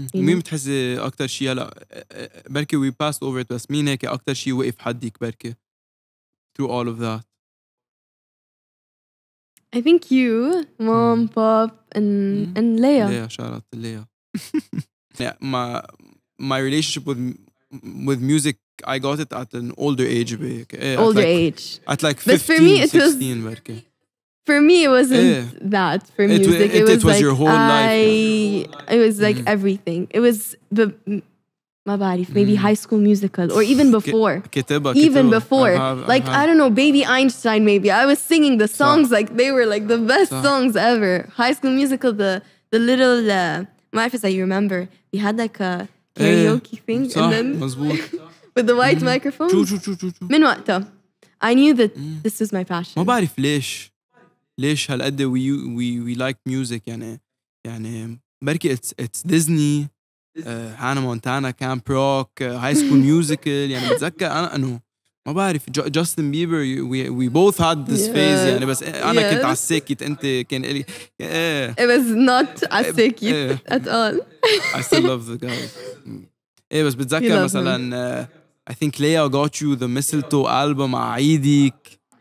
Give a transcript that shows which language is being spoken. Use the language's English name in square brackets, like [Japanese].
[Arabic] مين بتحس أكتر شيء هلا بركي [English] we passed over it [Arabic] بس مين هيك أكتر شيء وقف حدك بركي [English] through all of that I think you, mom, pop, and Leia. Leia, shout out to Leia. Yeah, my relationship with music, I got it at an older age. Older age. At like 15, but for me, 16. It was, for me, it wasn't that for music. It was like your whole life. It was like everything. It was the... My body, maybe high school musical or even before. Even before. I don't know, Baby Einstein maybe. I was singing the songs like they were like the best songs ever. High school musical, the little... My friends that you remember, we had like a karaoke thing. And then with the white microphone. [Arabic] من وقتها. [English] I knew that this was my passion. [Arabic] ما بعرف ليش. ليش هالقد [English] we like music. [Arabic] يعني بركي [English] it's Disney. Hannah Montana, Camp Rock, High School Musical. [Arabic] يعني بتذكر أنا أنه ما بعرف Justin Bieber. [English] We both had this phase. [Arabic] يعني بس أنا كنت عالسيكيت. أنت كان إلي. [English] It was not [Arabic] عالسيكيت [English] at all. I still love the guy. [Arabic] إيه بس بتذكر مثلا [English] I think Leia got you the mistletoe album [Arabic] عيديك.